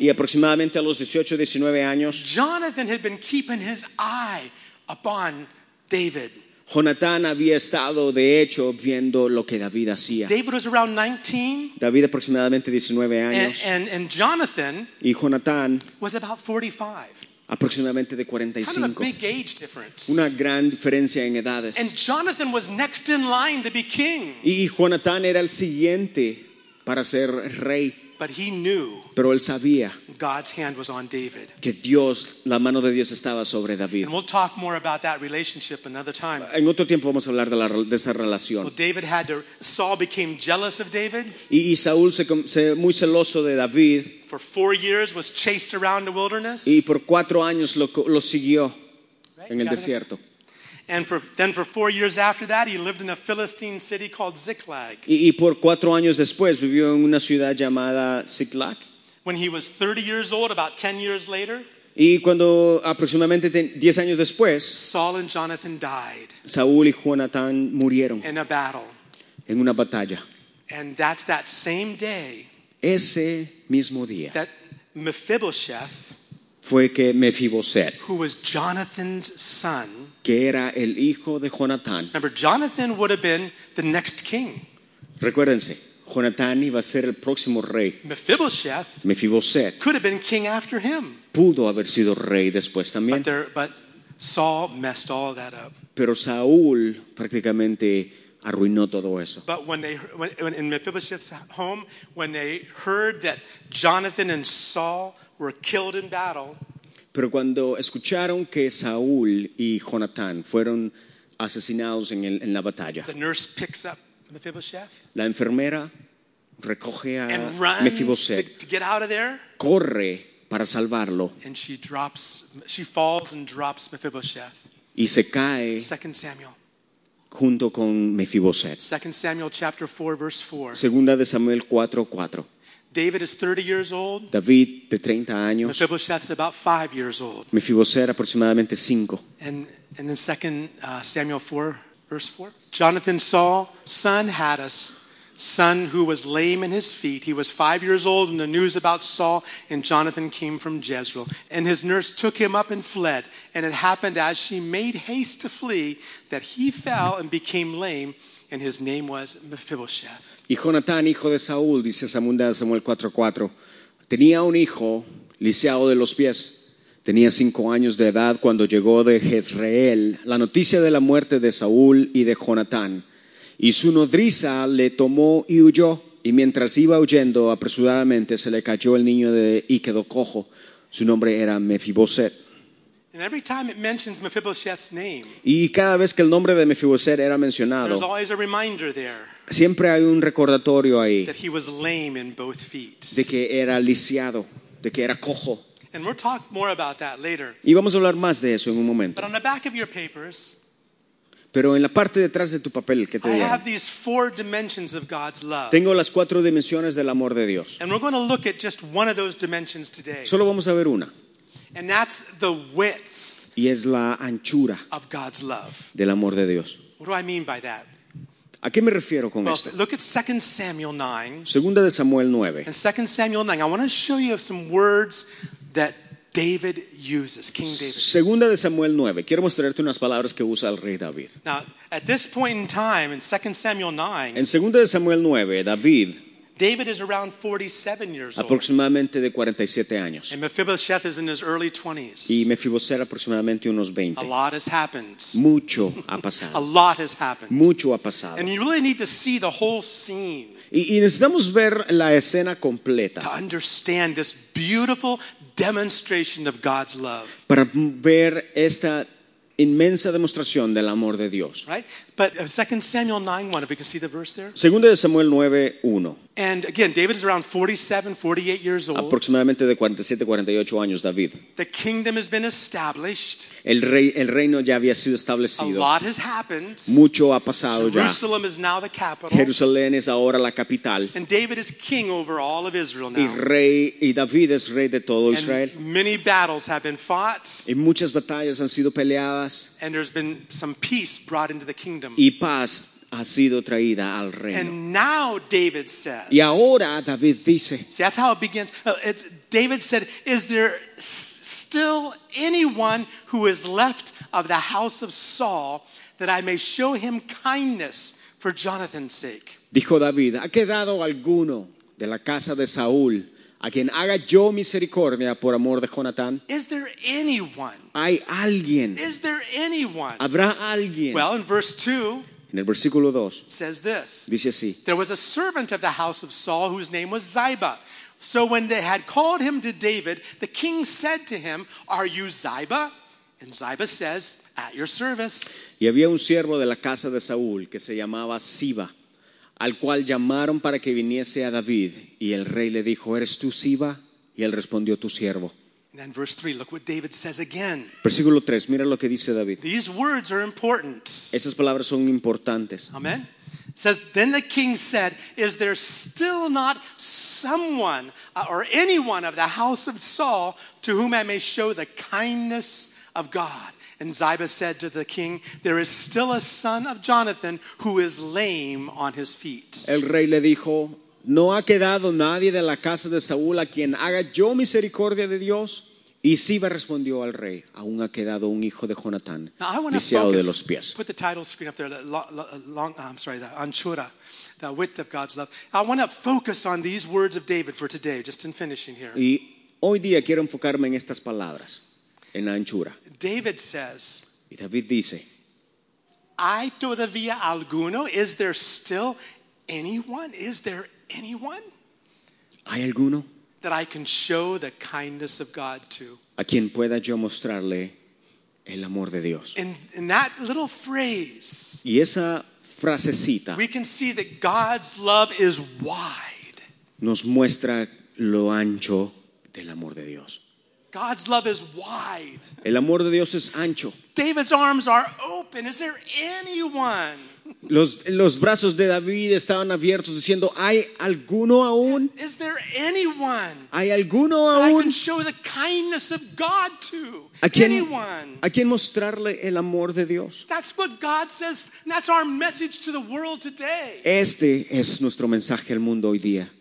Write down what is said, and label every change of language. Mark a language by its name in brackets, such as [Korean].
[Spanish] Y aproximadamente a los 18 o 19 años. [English] Jonathan had been keeping his eye upon David. [Spanish] Jonatán había estado, de hecho, viendo lo que David hacía. [English] David was around 19. [Spanish] David aproximadamente 19 años. [English] And Jonathan. [Spanish] Y Jonatán. [English] Was about 45. [Spanish] Aproximadamente de 45. [English] Kind of a big age difference. [Spanish] Una gran diferencia en edades. [English] And Jonathan was next in line to be king. [Spanish] Y Jonatán era el siguiente para ser rey. [English] But he knew. [Spanish] Pero él sabía. [English] God's hand was on David. [Spanish] Que Dios, la mano de Dios estaba sobre David. [English] And we'll talk more about that relationship another time. [Spanish] En otro tiempo vamos a hablar de esa relación. [English] Well, David had to. Saul became jealous of David. [Spanish] Y Saúl se muy celoso de David. [English] For 4 years, was chased around the wilderness. [Spanish] Y por 4 años lo siguió, right? En el desierto. [English] Him. And for 4 years after that, he lived in a Philistine city called Ziklag. [Spanish] Y por 4 años después vivió en una ciudad llamada Ziklag. [English] When he was 30 years old, about 10 years later. [Spanish] Y cuando aproximadamente 10 años después. [English] Saul and Jonathan died. [Spanish] Saúl y Jonatán murieron. [English] In a battle. [Spanish] En una batalla. [English] And that's that same day. [Spanish] Ese mismo día. [English] That Mephibosheth. [Spanish] Fue que Mephibosheth, [English] who was Jonathan's son, [Spanish] que era el hijo de Jonatán. [English] Remember, Jonathan would have been the next king. [Spanish] Recuérdense, Jonatán iba a ser el próximo rey. [English] Mephibosheth could have been king after him. [Spanish] Pudo haber sido rey después también. [English] But Saul messed all that up. [Spanish] Pero Saúl prácticamente arruinó todo eso. [English] But when in Mephibosheth's home, when they heard that Jonathan and Saul were killed in battle. [Spanish] Pero cuando escucharon que Saúl y Jonatán fueron asesinados en la batalla. [English] The nurse picks up Mephibosheth. [Spanish] La enfermera recoge a [English] Mephibosheth. To get out of there. [Spanish] Corre para salvarlo. [English] And she falls and drops Mephibosheth. [Spanish] Y se cae. [English] 2 Samuel. [Spanish] Junto con Mephibosheth. [English] 2 Samuel chapter 4 verse 4. [Spanish] Segunda de Samuel 4:4. [English] David is 30 years old. [Spanish] David de 30 años. [English] Mephibosheth is about 5 years old. [Spanish] Mephibosheth aproximadamente 5. [English] And in 2 Samuel 4, verse 4. Jonathan Saul's son had a son who was lame in his feet. He was 5 years old when the news about Saul and Jonathan came from Jezreel. And his nurse took him up and fled. And it happened as she made haste to flee that he fell and became lame. And his name was Mephibosheth. [Spanish] Y Jonatán, hijo de Saúl, dice Samunda de Samuel 4:4, tenía un hijo lisiado de los pies. Tenía 5 años de edad cuando llegó de Jezreel la noticia de la muerte de Saúl y de Jonatán. Y su nodriza le tomó y huyó. Y mientras iba huyendo, apresuradamente se le cayó el niño y quedó cojo. Su nombre era Mephibosheth. [English] And every time it mentions Mephibosheth's name, [Spanish] y cada vez que el nombre de Mephibosheth era mencionado, [English] there's always a reminder there. [Spanish] Siempre hay un recordatorio ahí [English] that he was lame in both feet. [Spanish] De que era lisiado, de que era cojo. [English] And we'll talk more about that later. [Spanish] Y vamos a hablar más de eso en un momento. [English] But on the back of your papers, [Spanish] pero en la parte detrás de tu papel, ¿qué te [English] I have these 4 dimensions of God's love. [Spanish] Tengo las 4 dimensiones del amor de Dios. [English] And we're going to look at just one of those dimensions today. [Spanish] Solo vamos a ver una. [English] And that's the width. [Spanish] Y es la anchura [English] of God's love. [Spanish] Del amor de Dios. [English] What do I mean by that? [Spanish] ¿A qué me refiero con [English] well, [Spanish] esto? [English] Look at 2 Samuel 9. [Spanish] Segunda de Samuel 9. [English] In 2 Samuel 9, I want to show you some words that David uses, King David. [Spanish] Segunda de Samuel 9. Quiero mostrarte unas palabras que usa el rey David. [English] Now, at this point in time, in 2 Samuel 9. [Spanish] En Segunda de Samuel 9, David. [English] David is around 47 years old. [Spanish] Aproximadamente de 47 años. [English] And Mephibosheth is in his early 20s. [Spanish] Y Mephibosheth aproximadamente unos 20. [English] A lot has happened. [Spanish] Mucho ha pasado. [English] A lot has happened. [Spanish] Mucho ha pasado. [English] And you really need to see the whole scene. [Spanish] Y necesitamos ver la escena completa. [English] To understand this beautiful demonstration of God's love. [Spanish] Para ver esta inmensa demostración del amor de Dios. [English] Right? But 2 Samuel 9:1, if we can see the verse there. [Spanish] Segunda de Samuel 9:1. [English] And again, David is around 47, 48 years old. [Spanish] Aproximadamente de 47, 48 años, David. [English] The kingdom has been established. [Spanish] El reino ya había sido establecido. [English] A lot has happened. [Spanish] Mucho ha pasado ya. [English] Jerusalem is now the capital. [Spanish] Jerusalén es ahora la capital. [English] And David is king over all of Israel now. [Spanish] Y David es rey de todo Israel. [English] And many battles have been fought. [Spanish] Y muchas batallas han sido peleadas. [English] And there's been some peace brought into the kingdom. [Spanish] Y paz ha sido traída al reino. [English] And now David says. [Spanish] Y ahora David dice. [English] See, that's how it begins. It's David said, "Is there still anyone who is left of the house of Saul that I may show him kindness for Jonathan's sake?" [Spanish] Dijo David, "¿Ha quedado alguno de la casa de Saúl a quien haga yo misericordia por amor de Jonatán?" [English] Is there anyone? [Spanish] ¿Hay alguien? [English] Is there anyone? [Spanish] ¿Habrá alguien? [English] Well, in verse 2, [Spanish] en el versículo 2, [English] says this, [Spanish] dice así, [English] "There was a servant of the house of Saul whose name was Ziba. So when they had called him to David, the king said to him, 'Are you Ziba?' And Ziba says, 'At your service.'" [Spanish] Y había un siervo de la casa de Saúl que se llamaba Ziba, al cual llamaron para que viniese a David. Y el rey le dijo, "¿Eres tú Ziba?" Y él respondió, "Tu siervo." [English] And then verse 3, look what David says again. [Spanish] Versículo 3, mira lo que dice David. [English] These words are important. [Spanish] Esas palabras son importantes. [English] Amen. It says, "Then the king said, 'Is there still not someone or anyone of the house of Saul to whom I may show the kindness of God?' And Ziba said to the king, 'There is still a son of Jonathan who is lame on his feet.'" [Spanish] El rey le dijo, "¿No ha quedado nadie de la casa de Saúl a quien haga yo misericordia de Dios?" Y Ziba respondió al rey, "Aún ha quedado un hijo de Jonatán, lisiado de los pies." [English] Put the title screen up there, the anchura, the width of God's love. I want to focus on these words of David for today, just in finishing here. [Spanish] Y hoy día quiero enfocarme en estas palabras, en la anchura. [English] David says, [Spanish] y David dice, "¿Hay todavía alguno? [English] Is there still anyone? Is there anyone? [Spanish] ¿Hay alguno? [English] That I can show the kindness of God to." [Spanish] A quien pueda yo mostrarle el amor de Dios. [English] In that little phrase. [Spanish] Y esa frasecita. [English] We can see that God's love is wide. [Spanish] Nos muestra lo ancho del amor de Dios. [English] God's love is wide. [Spanish] El amor de Dios es ancho. [English] David's arms are open. Is there anyone? [Spanish] Los brazos de David estaban abiertos diciendo, ¿hay alguno aún? [English] Is there anyone? [Spanish] ¿Hay alguno aún? [English] I can show the kindness of God to. [Spanish] ¿A quién mostrarle el amor de Dios? [English] That's what God says, and that's our message to the world today. [Spanish] Este es nuestro mensaje al mundo hoy día.